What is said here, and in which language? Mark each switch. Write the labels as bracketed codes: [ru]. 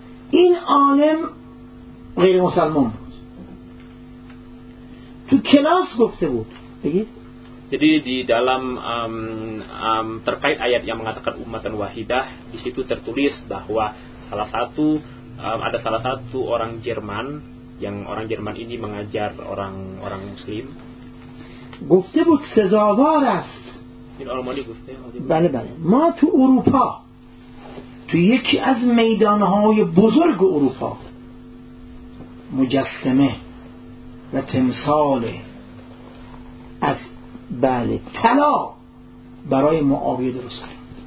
[fa] این عالم غیر مسلمان تو کلاس گفته بود بگید. [id] Jadi di dalam terkait ayat yang mengatakan ummatan wahidah, di situ tertulis bahwa salah satu ada salah satu orang Jerman, yang orang Jerman ini mengajar orang-orang muslim. [fa] گفته بود سزاوار است. این آلمانی گفته. بله بله. ما تو اروپا تو یکی از میدانهای بزرگ اروپا مجسمه و تمثال از بله طلا برای معاویه درست کردن.